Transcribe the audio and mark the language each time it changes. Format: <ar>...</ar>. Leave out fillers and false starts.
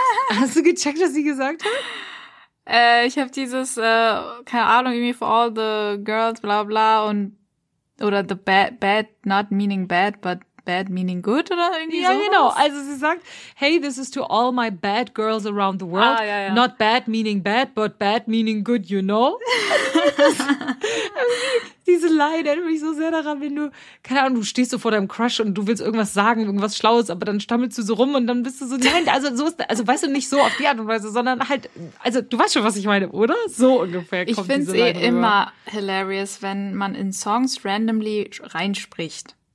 <de>Hast du gecheckt, was sie gesagt hat? Ich habe dieses, keine Ahnung, irgendwie</de> <en>for all the girls,</en> <de>bla bla, und oder</de> <en>the bad, not meaning bad, but bad meaning good,</en> <de>oder irgendwie ja, sowas. Ja, genau, also sie sagt,</de> <en>hey, this is to all my bad girls around the world,</en> <de>ja.</de> <en>Not bad meaning bad, but bad meaning good, you know.</en> <de>Diese Line erinnert mich so sehr daran, wenn du, keine Ahnung, du stehst so vor deinem Crush und du willst irgendwas sagen, irgendwas Schlaues, aber dann stammelst du so rum und dann bist du so, nein, also so ist, also weißt du, nicht so auf die Art und Weise, sondern halt, also du weißt schon, was ich meine, oder? So ungefähr kommt diese Line. Ich finde es eh immer hilarious, wenn man in Songs randomly reinspricht.</de>